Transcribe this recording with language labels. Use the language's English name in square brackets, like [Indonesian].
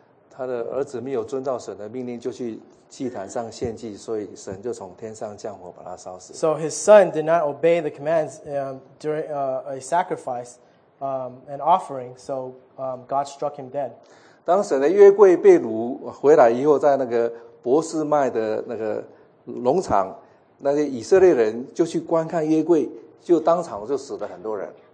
[Chinese] 他的儿子没有遵照神的命令就去祭坛上献祭，所以神就从天上降火把他烧死。 [English] So his son did not obey the commands during a sacrifice, an offering. So God struck him dead. [Chinese] 当神的约柜被掳回来以后，在那个博士麦的那个农场，那些以色列人就去观看约柜，就当场就死了很多人。